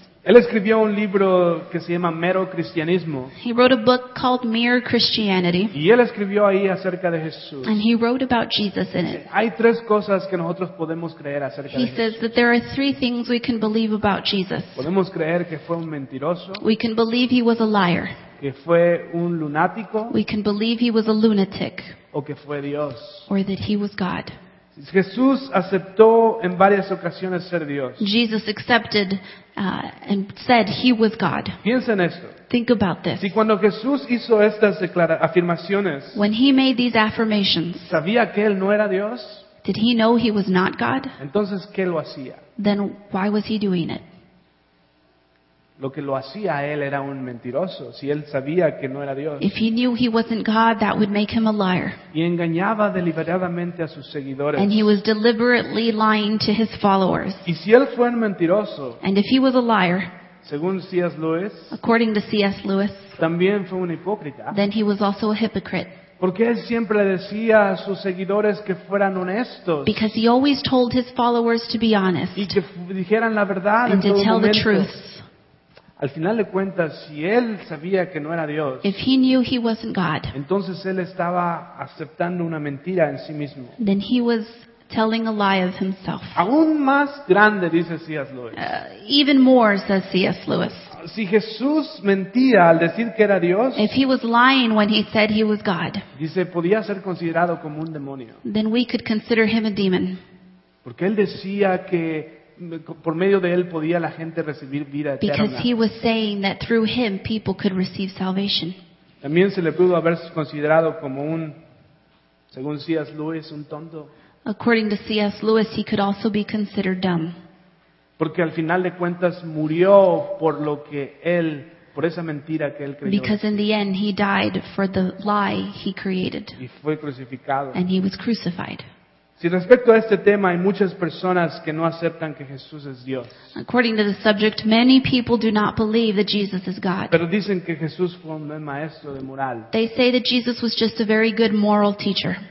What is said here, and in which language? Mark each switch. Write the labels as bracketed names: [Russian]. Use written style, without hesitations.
[Spanish] Él escribió un libro que se llama Mero Cristianismo. [English] He wrote a book called Mere Christianity. [Spanish] Y él escribió ahí acerca de Jesús. [English] And he wrote about Jesus in it. [Spanish] Hay tres cosas que nosotros podemos creer acerca de Jesús. [English] He says that there are three things we can believe about Jesus. [Spanish] Podemos creer que fue un mentiroso. [English] We can believe he was a liar. [Spanish] Que fue un lunático. [English] We can believe he was a lunatic. [Spanish] O que fue Dios. [English] Or that he was God. [Spanish] Jesús aceptó en varias ocasiones ser Dios. [English] Jesus accepted and said he was God. [Spanish] Piensa en esto. [English] Think about this. [Spanish] Si cuando Jesús hizo estas afirmaciones, [English] when he made these affirmations, [Spanish] ¿sabía que él no era Dios? [English] Did he know he was not God? [Spanish] Entonces, ¿qué lo hacía? [English] Then why was he doing it? [Spanish] Lo que lo hacía a él era un mentiroso, si él sabía que no era Dios. [English] If he knew he wasn't God, that would make him a liar. [Spanish] Y engañaba deliberadamente a sus seguidores. [English] And he was deliberately lying to his followers. [Spanish] Y si él fue un mentiroso, [English] and if he was a liar, [Spanish] según C.S. Lewis, [English] according to C.S. Lewis, [Spanish] también fue un hipócrita, [English] then he was also a hypocrite. [Spanish] Porque él siempre decía a sus seguidores que fueran honestos. [English] Because he always told his followers to be honest. [Spanish] Y que dijeran la verdad en todo momento. [English] And to tell the truth. [Spanish] Al final de cuentas, si él sabía que no era Dios, [English] if he knew he wasn't God, [Spanish] entonces él estaba aceptando una mentira en sí mismo. [English] Then he was telling a lie of himself. [Spanish] Aún más grande, dice C.S. Lewis. [English] Even more, says C.S. Lewis. [Spanish] Si Jesús mentía al decir que era Dios, [English] if he was lying when he said he was God, [Spanish] dice, podía ser considerado como un demonio. [English] Then we could consider him a demon. [Spanish] Porque él decía que por medio de él podía la gente recibir vida eterna. [English] Because he was saying that through him people could receive salvation. [Spanish] También se le pudo haber considerado como un, según C.S. Lewis, un tonto. [English] According to C.S. Lewis, he could also be considered dumb. [Spanish] Porque al final de cuentas murió por lo que él, por esa mentira que él creyó. [English] Because in the end he died for the lie he created. [Spanish] Y fue crucificado. [English] And he was crucified. [Spanish] Si respecto a este tema hay muchas personas que no aceptan que Jesús es Dios. [English] According to the subject, many people do not believe that Jesus is God. [Spanish] Pero dicen que Jesús fue un buen maestro de moral. [English] They say that Jesus was just a very good moral teacher.